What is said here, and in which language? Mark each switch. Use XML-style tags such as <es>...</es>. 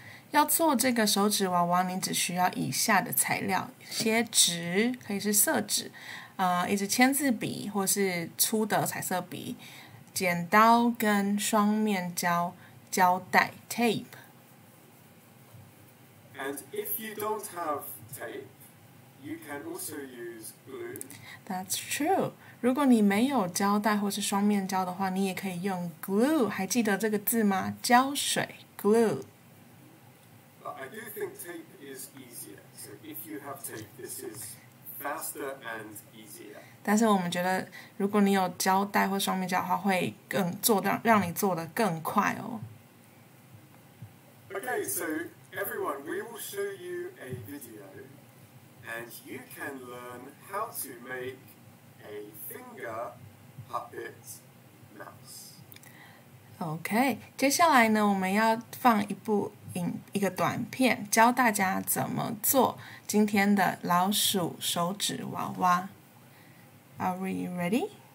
<zh>要做这个手指娃娃，你只需要以下的材料：一些纸，可以是色纸，一支签字笔或是粗的彩色笔，剪刀跟双面胶胶带 tape。</zh> <en>And if you don't have tape, you can also use glue. That's true.</en> <zh>如果你没有胶带或是双面胶的话，你也可以用 glue. 还记得这个字吗？胶水 glue.</zh> <en>I do think tape is easier. So if you have tape, this is faster and easier.</en> <zh>但是我们觉得如果你有胶带或双面胶的话会更做到让你做得更快哦。</zh> <en>Okay, so everyone, we will show you a video and you can learn how to make a finger puppet mouse.</en> <zh>Okay, 接下来呢我们要放一部一个短片教大家怎么做今天的老鼠手指娃娃</zh> <en>Are we ready?</en>